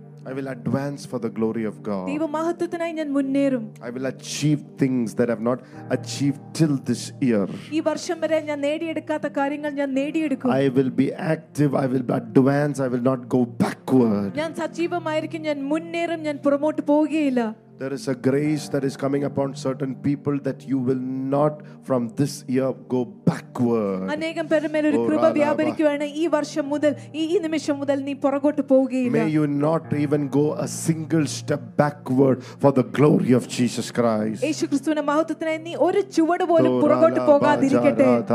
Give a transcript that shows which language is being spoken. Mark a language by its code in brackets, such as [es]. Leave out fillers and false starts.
[en] I will advance for the glory of God. [ml] ദൈവ മഹത്വത്തിനായി ഞാൻ മുന്നേറും. [en] I will achieve things that I have not achieved till this year. [ml] ഈ വർഷം വരെ ഞാൻ നേടിയെടുക്കാത്ത കാര്യങ്ങൾ ഞാൻ നേടിയെടുക്കും. [en] I will be active, I will advance, I will not go backward. [ml] ഞാൻ സജീവമായിരിക്കും, ഞാൻ മുന്നേറും, ഞാൻ പുറകോട്ട് പോവുകയില്ല. [en] There is a grace that is coming upon certain people that you will not from this year go backward. [ml] അനേകം പേരുടെ ഒരു കൃപ വ്യാപരിക്കുവാണ് ഈ വർഷം മുതൽ, ഈ നിമിഷം മുതൽ നീ പുറകോട്ട് പോവുകയില്ല. [en] May you not even go a single step backward for the glory of Jesus Christ. [ml] യേശുക്രിസ്തുവിന്റെ മഹത്വത്തിനായി നീ ഒരു ചുവട് പോലും പുറകോട്ട് പോകാതിരിക്കട്ടെ.